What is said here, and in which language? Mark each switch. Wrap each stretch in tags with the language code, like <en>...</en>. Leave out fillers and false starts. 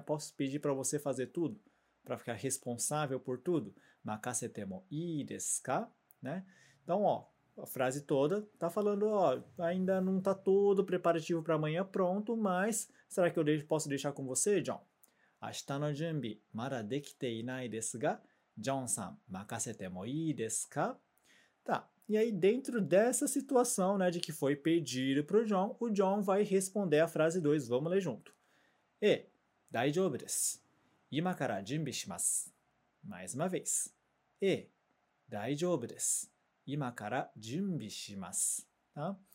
<pt>Posso pedir para você fazer tudo? Para ficar responsável por tudo?</pt> <ja>Makasetemo iidesuka?</ja> <pt>Né? Então, ó. A frase toda tá falando, ó, ainda não tá todo preparativo para amanhã pronto, mas será que eu posso deixar com você, John?</pt> <ja>明日の準備, まだできていないですが、ジョンさん、任せてもいいですか？</ja> <pt>Tá. E aí, dentro dessa situação, né, de que foi pedido pro John, o John vai responder a frase 2. Vamos ler junto. E,</pt> <ja>大丈夫です。今から準備します。</ja> <pt>Mais uma vez.</pt> <ja>E, 大丈夫です。今から準備します。Tá?</ja>